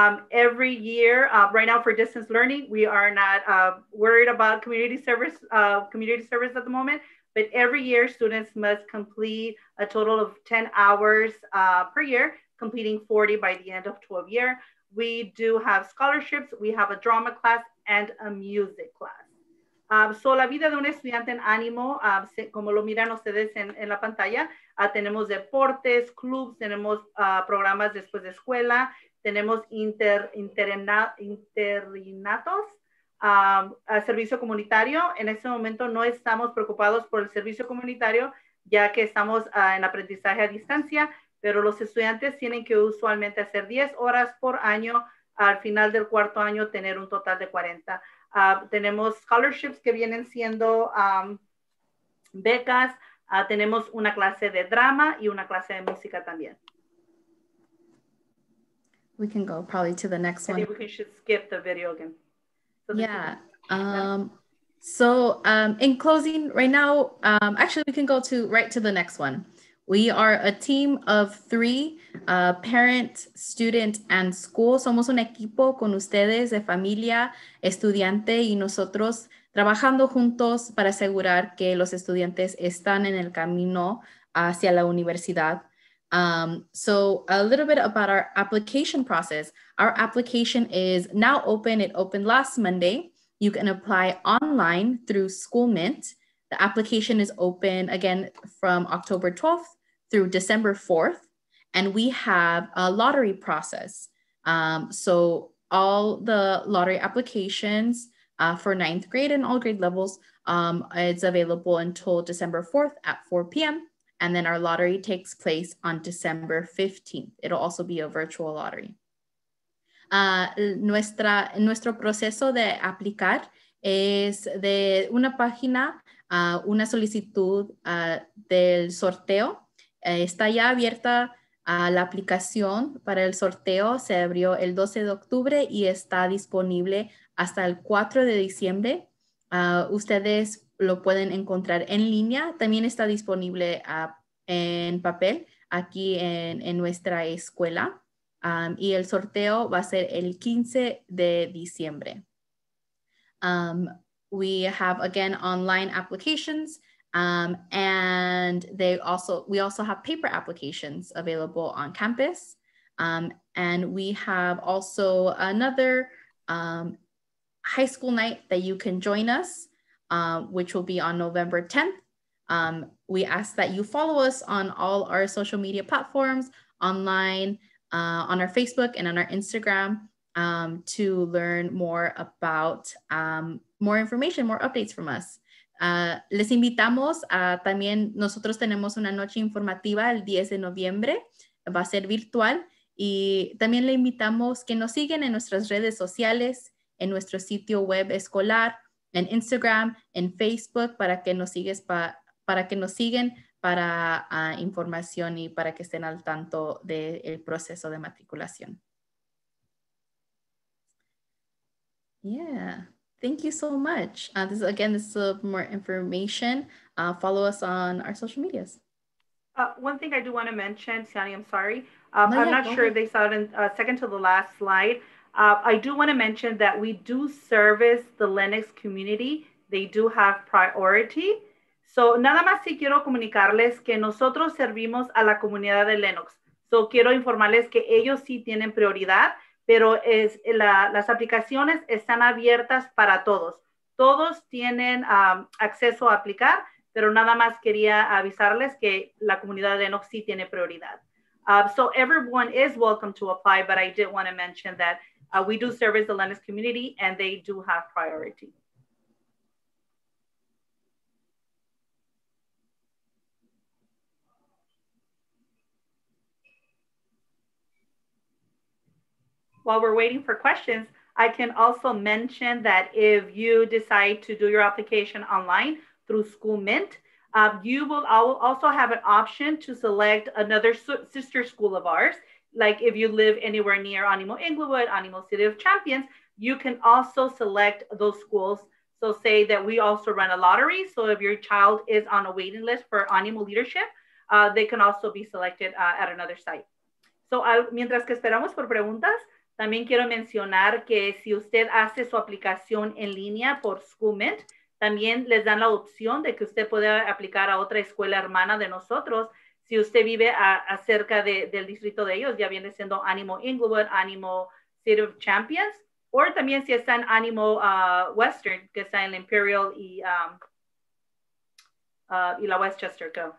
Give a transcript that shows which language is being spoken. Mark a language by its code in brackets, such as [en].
[en] Every year, right now for distance learning, we are not worried about community service at the moment, but every year students must complete a total of 10 hours per year, completing 40 by the end of 12 year. We do have scholarships. We have a drama class and a music class. [es] So la vida de un estudiante en ánimo, como lo miran ustedes en la pantalla, tenemos deportes, clubs, tenemos programas después de escuela, tenemos interinatos, servicio comunitario. En este momento no estamos preocupados por el servicio comunitario, ya que estamos en aprendizaje a distancia, pero los estudiantes tienen que usualmente hacer 10 horas por año, al final del cuarto año tener un total de 40. Tenemos scholarships que vienen siendo becas, tenemos una clase de drama y una clase de música también. [en] We can go probably to the next one. I think we should skip the video again. In closing right now, actually we can go to right to the next one. We are a team of three, parent, student, and school. [es] Somos un equipo con ustedes de familia, estudiante, y nosotros trabajando juntos para asegurar que los estudiantes están en el camino hacia la universidad. [en] So a little bit about our application process. Our application is now open. It opened last Monday. You can apply online through School Mint. The application is open again from October 12th through December 4th. And we have a lottery process. So all the lottery applications for ninth grade and all grade levels, it's available until December 4th at 4 p.m. And then our lottery takes place on December 15th. It'll also be a virtual lottery. [es] Nuestro proceso de aplicar es de una página una solicitud del sorteo. Está ya abierta la aplicación para el sorteo. Se abrió el 12 de octubre y está disponible hasta el 4 de diciembre. Ustedes lo pueden encontrar en línea. También está disponible en papel aquí en nuestra escuela. Y el sorteo va a ser el 15 de diciembre. [en] We have, again, online applications. And they also, we also have paper applications available on campus. And we have also another high school night that you can join us, which will be on November 10th. We ask that you follow us on all our social media platforms, online, on our Facebook and on our Instagram, to learn more about more information, more updates from us. [es] Les invitamos a también, nosotros tenemos una noche informativa el 10 de noviembre, va a ser virtual, y también le invitamos que nos sigan en nuestras redes sociales, en nuestro sitio web escolar, en Instagram, en Facebook, para que nos sigues para que nos sigan para información y para que estén al tanto del proceso de matriculación. [en] Yeah. Thank you so much. This is a little more information. Follow us on our social medias. One thing I do want to mention, Siani, I'm sorry. I'm not sure they saw it in second to the last slide. I do want to mention that we do service the Lennox community. They do have priority. [es] So nada más si quiero comunicarles que nosotros servimos a la comunidad de Lennox. So quiero informarles que ellos sí tienen prioridad. Pero las aplicaciones están abiertas para todos. Todos tienen acceso a aplicar, pero nada más quería avisarles que la comunidad de Lennox sí tiene prioridad. [en] So everyone is welcome to apply, but I did want to mention that we do service the Lennox community and they do have priority. While we're waiting for questions, I can also mention that if you decide to do your application online through School Mint, I will also have an option to select another sister school of ours. Like if you live anywhere near Animo Inglewood, Animo City of Champions, you can also select those schools. So say that we also run a lottery. So if your child is on a waiting list for Animo Leadership, they can also be selected at another site. [es] So mientras que esperamos por preguntas, también quiero mencionar que si usted hace su aplicación en línea por School Mint, también les dan la opción de que usted pueda aplicar a otra escuela hermana de nosotros. Si usted vive cerca del distrito de ellos, ya viene siendo Animo Inglewood, Animo City of Champions, o también si está en Animo Western, que está en Imperial y la Westchester.